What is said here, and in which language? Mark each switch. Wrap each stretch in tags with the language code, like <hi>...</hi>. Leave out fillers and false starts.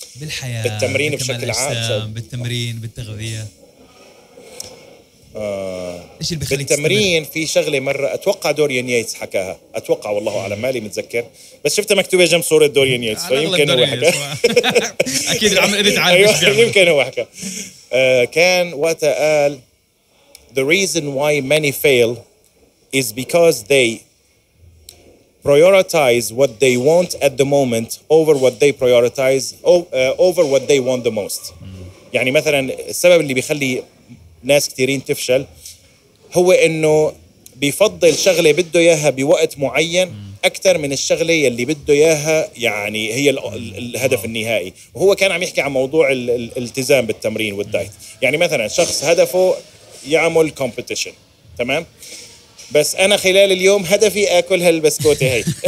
<ar>بالحياة، بالتمرين بشكل عام، بالتمرين، بالتغذية، ايش اللي بيخليك بالتمرين؟ في شغله مره اتوقع دوريان ييتس حكاها، اتوقع والله على مالي متذكر، بس شفتها مكتوبه جنب صوره دوريان ييتس، فيمكن هو حكا. اكيد عم اديت على يمكن هو حكا. كان وقتها قال</ar> <en>the reason why many fail is because they prioritize what they want at the moment over what they prioritize over what they want the most.</en> <ar>يعني مثلا السبب اللي بيخلي ناس كتيرين تفشل هو انه بيفضل شغلة بده اياها بوقت معين اكتر من الشغلة اللي بده اياها يعني هي الهدف النهائي. وهو كان عم يحكي عن موضوع الالتزام بالتمرين والدايت، يعني مثلا شخص هدفه يعمل كومبيتيشن، تمام، بس انا خلال اليوم هدفي اكل هالبسكوتة هاي.</ar>